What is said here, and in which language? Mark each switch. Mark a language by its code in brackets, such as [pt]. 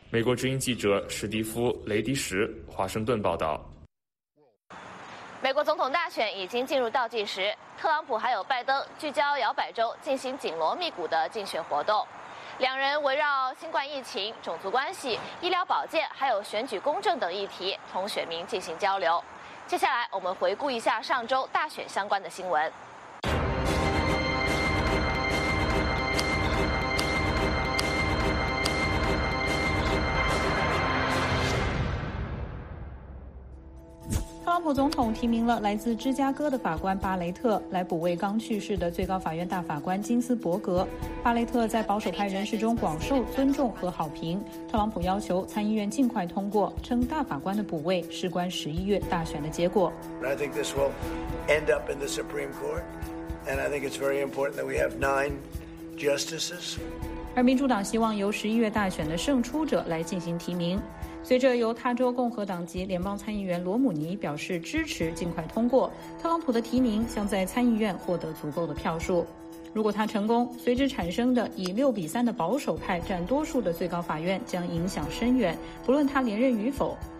[zh] 美国之音记者史蒂夫·雷迪什，华盛顿报道。美国总统大选已经进入倒计时，特朗普还有拜登聚焦摇摆州进行紧锣密鼓的竞选活动。两人围绕新冠疫情、种族关系、医疗保健，还有选举公正等议题，同选民进行交流。接下来，我们回顾一下上周大选相关的新闻。特朗普总统提名了来自芝加哥的法官巴雷特来补位刚去世的最高法院大法官金斯伯格。巴雷特在保守派人士中广受尊重和好评。特朗普要求参议院尽快通过，称大法官的补位事关11月大选的结果。 [en] I think this will end up in the Supreme Court, and I think it's very important that we have 9 justices. [zh] 而民主党希望由11月大选的胜出者来进行提名。随着由他州共和党籍联邦参议员罗姆尼表示支持尽快通过，特朗普的提名将在参议院获得足够的票数。如果他成功，随之产生的以6-3的保守派占多数的最高法院将影响深远，不论他连任与否。